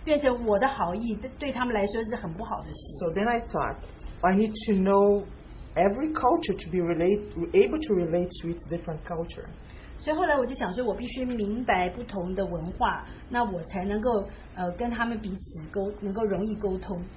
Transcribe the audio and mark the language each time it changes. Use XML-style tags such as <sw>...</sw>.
<zh>你就会发现，哦，实际上我这种行为举止对于某一种文化的人来说是很不好的事情，变成我的好意对他们来说是很不好的事。</zh> <en>So then I thought, I need to know every culture to be able to relate to its different culture.</en> <zh>所以后来我就想说，我必须明白不同的文化，那我才能够跟他们彼此能够容易沟通。</zh>